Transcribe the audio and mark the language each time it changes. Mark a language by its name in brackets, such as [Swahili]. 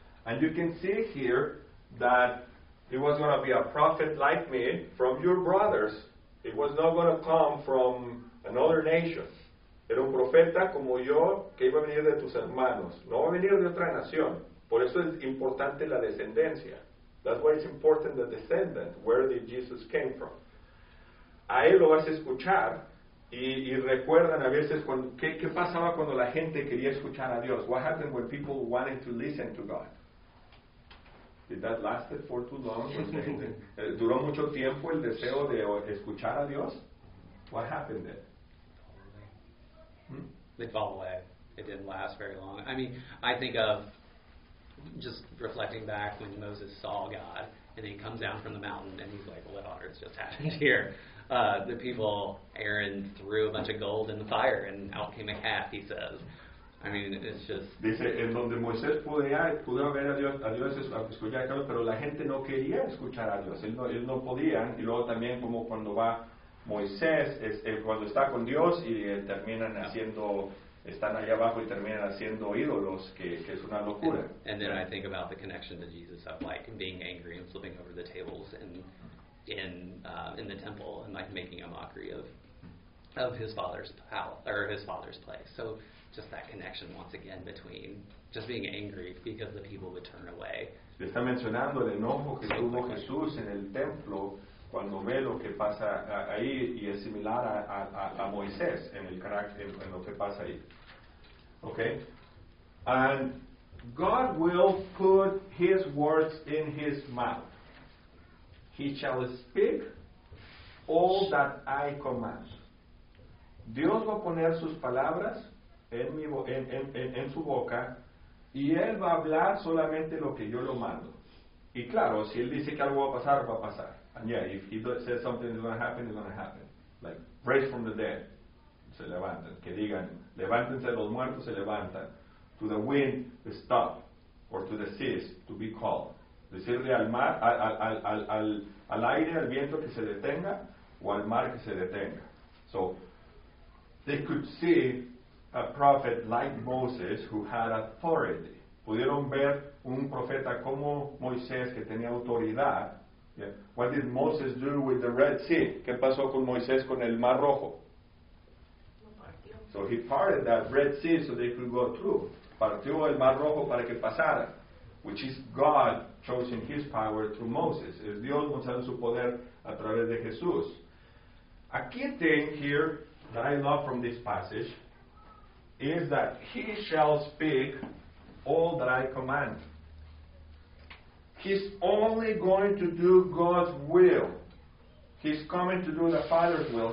[English] And you can see here that it was going to be a prophet like me from your brothers. It was not going to come from another nation. [Spanish] Era un profeta como yo que iba a venir de tus hermanos. No va a venir de otra nación. Por eso es importante la descendencia. [English] That's why it's important the descendant. Where did Jesus came from? [Spanish] A él lo vas a escuchar. Y recuerdan a veces qué pasaba cuando la gente quería escuchar a Dios. [English] What happened when people wanted to listen to God? Did that last for too long? [Spanish] ¿Duró mucho tiempo el deseo de escuchar a Dios? [English] What happened then? They'd fall away. It didn't last very long. I mean, I think of just reflecting back when Moses saw God, and he comes down from the mountain, and he's like, what on earth just happened here? The people, Aaron, threw a bunch of gold in the fire, and out came a calf, he says. I mean, it's just... [Spanish] Dice, en donde Moisés pudo ver a Dios escuchar a Dios, pero la gente no quería escuchar a Dios. Él no podía. Y luego también como cuando va Moisés, cuando está con Dios y terminan haciendo, están allá abajo y terminan haciendo ídolos, que es una locura. [English] And then I think about the connection to Jesus of like being angry and flipping over the tables and in the temple and like making a mockery of his father's palace or his father's place. So just that connection once again between just being angry because the people would turn away. [Spanish] Le está mencionando el enojo que tuvo Jesús en el templo cuando ve lo que pasa ahí, y es similar a Moisés en el carácter, en lo que pasa ahí. [English] Okay? And God will put his words in his mouth. He shall speak all that I command. [Spanish] Dios va a poner sus palabras en mi en su boca y él va a hablar solamente lo que yo lo mando. Y claro, si él dice que algo va a pasar, va a pasar. [English] And yeah, if he says something is going to happen, it's going to happen. Like, raise from the dead, [Spanish] se levantan. Que digan, levántense los muertos, se levantan. [English] To the wind, stop. Or to the seas, to be calm. [Spanish] Decirle al mar, al aire, al viento que se detenga, o al mar que se detenga. [English] So, they could see a prophet like Moses who had authority. [Spanish] Pudieron ver un profeta como Moisés que tenía autoridad. [English] Yeah. What did Moses do with the Red Sea? [Spanish] ¿Qué pasó con Moisés con el Mar Rojo? [English] So he parted that Red Sea so they could go through. [Spanish] Partió el Mar Rojo para que pasara. [English] Which is God chosen his power through Moses. [Spanish] Es Dios mostrando su poder a través de Jesús. [English] A key thing here that I love from this passage is that he shall speak all that I command. He's only going to do God's will. He's coming to do the Father's will.